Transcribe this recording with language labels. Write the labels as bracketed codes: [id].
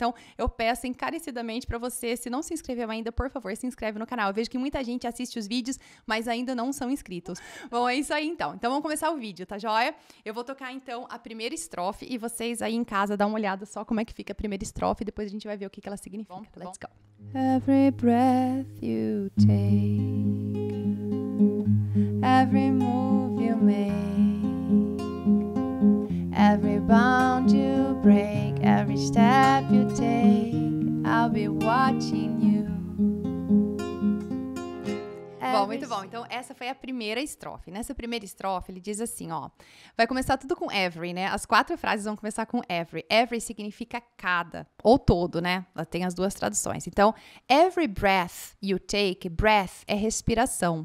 [pt] Então, eu peço encarecidamente pra você, se não se inscreveu ainda, por favor, se inscreve no canal. Eu vejo que muita gente assiste os vídeos, mas ainda não são inscritos. Bom, é isso aí, então. Então, vamos começar o vídeo, tá joia? Eu vou tocar, então, a primeira estrofe e vocês aí em casa, dá uma olhada só como é que fica a primeira estrofe e depois a gente vai ver o que ela significa. Bom, [en] let's go. Every breath you take, every move you make, every bound you break, every step you take, I'll be watching you. [pt] Bom, muito bom. Então, essa foi a primeira estrofe. Nessa primeira estrofe, ele diz assim, ó. Vai começar tudo com every, né? As quatro frases vão começar com every. Every significa cada, ou todo, né? Ela tem as duas traduções. Então, [en] every breath you take, [pt] breath é respiração.